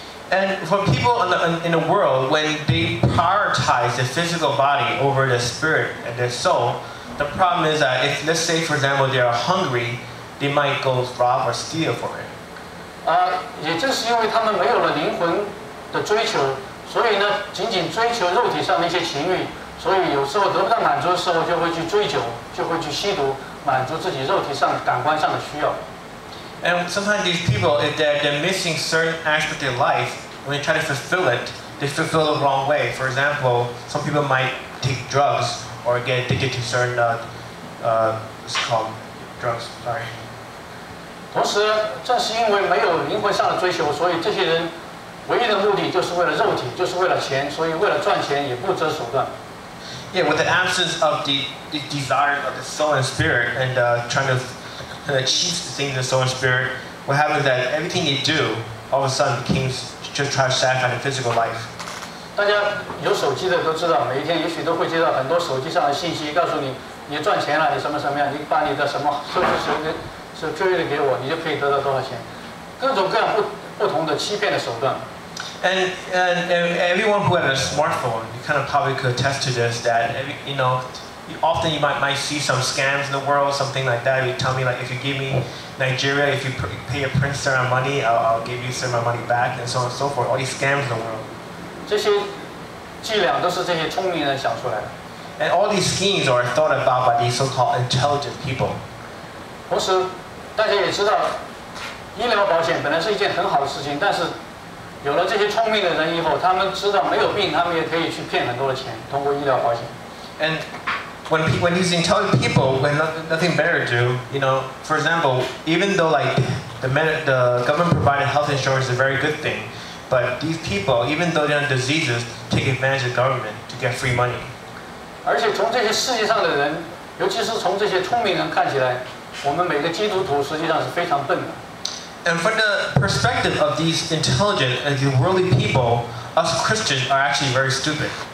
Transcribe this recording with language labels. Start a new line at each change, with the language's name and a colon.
English: And for people in the world, when they prioritize the physical body over the spirit and their soul, the problem is that if, let's say, for example, they are hungry, they might go rob or steal for it.
Chinese: 也正是因为他们没有了灵魂的追求。所以呢，仅仅追求肉体上的一些情欲，所以有时候得不到满足的时候，就会去追酒，就会去吸毒，满足自己肉体上感官上的需要。
English: And sometimes these people, if they're missing certain aspects of their life, when they try to fulfill it, they fulfill the wrong way. For example, some people might take drugs or get addicted to certain drugs. Sorry.
Chinese: 同时，正是因为没有灵魂上的追求，所以这些人。唯一的目的就是为了肉体，就是为了钱，所以为了赚钱也不择手段。
English: Yeah, with the absence of the desire of the soul and spirit, and trying to achieve the things of the soul and spirit, what happens is that everything you do, all of a sudden, becomes just trying to satisfy the physical life.
Chinese: 大家有手机的都知道，每一天也许都会接到很多手机上的信息，告诉你你赚钱了，你什么什么样，你把你的什么收入收入给我，你就可以得到多少钱，各种各样不同的欺骗的手段。
English: And everyone who has a smartphone, you kind of probably could attest to this that often you might see some scams in the world, something like that. You tell me like if you give me Nigeria, if you pay a prince certain amount of money, I'll give you certain amount of money back, and so on and so forth. All these scams in the world.
Chinese: 这些伎俩都是这些聪明人想出来的。
English: And all these schemes are thought about by these so-called intelligent people.
Chinese: 同时，大家也知道。医疗保险本来是一件很好的事情，但是有了这些聪明的人以后，他们知道没有病，他们也可以去骗很多的钱，通过医疗保险。
English: And when these intelligent people, when nothing better to do, you know, for example, even though like the government provided health insurance is a very good thing, but these people, even though they have diseases, take advantage of government to get free money.
Chinese: 而且从这些世界上的人，尤其是从这些聪明人看起来，我们每个基督徒实际上是非常笨的。
English: And from the perspective of these intelligent and these worldly people, us Christians are actually very stupid.